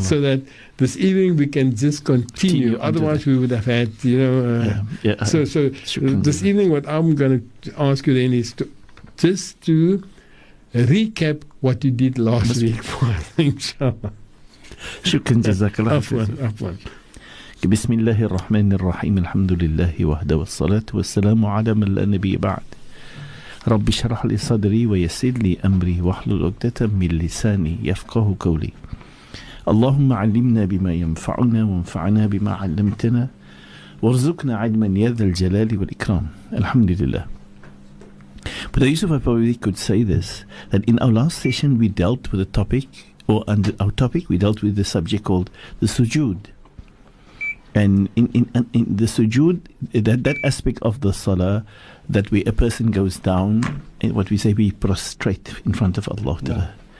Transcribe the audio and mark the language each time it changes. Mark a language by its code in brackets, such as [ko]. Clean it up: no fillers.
[en] so that this evening we can just continue. Otherwise, we would have had, you know. Evening, what I'm going to ask you then is to recap what you did last week for us, inshallah. Shukran jazakallah. Afwan. [ar] بسم الله الرحمن الرحيم الحمد لله وحده والصلاة والسلام على من لا نبي بعد رب اشرح لي صدري ويسر لي أمري واحلل عقدة من لساني يفقه قولي اللهم علمنا بما ينفعنا وانفعنا بما علمتنا وارزقنا علما يا ذا الجلال والإكرام الحمد لله. [en] But Yusuf, I probably could say this, that in our last session we dealt with a topic, the subject called the sujood. And in the sujood, that aspect of the salah, that where a person goes down, and what we say, we prostrate in front of Allah. Yeah.